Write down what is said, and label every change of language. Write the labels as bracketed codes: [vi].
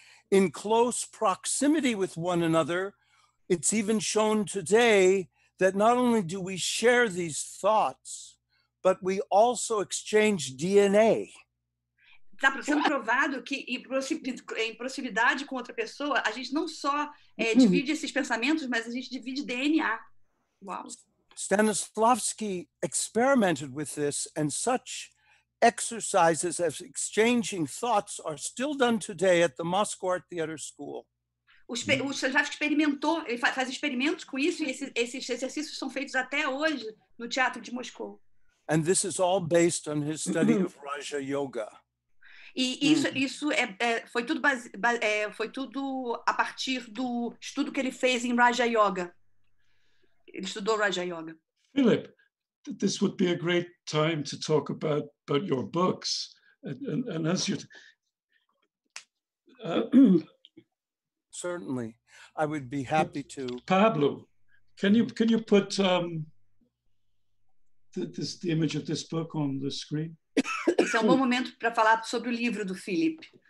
[en] In close proximity with one another, it's even shown today that not only do we share these thoughts, but we also exchange DNA. [pt] Está sendo provado que em proximidade com outra pessoa, a gente não só divide esses pensamentos, mas a gente divide DNA. Uau! [en] Stanislavski experimented with this, and such exercises as exchanging thoughts are still done today at the Moscow Art Theater School. [pt] O Stanislavski experimentou, ele faz experimentos com isso, e esses exercícios são feitos até hoje no Teatro de Moscou. [en] And this is all based on his study of Raja Yoga. [pt] E isso foi tudo foi tudo a partir do estudo que ele fez em Raja Yoga. Ele estudou Raja Yoga. [en] Philip, this would be a great time to talk about your books. And as you... Certainly. I would be happy to... Pablo, can you put the image of this book on the screen? [pt] Esse é um bom momento para falar sobre o livro do Philip.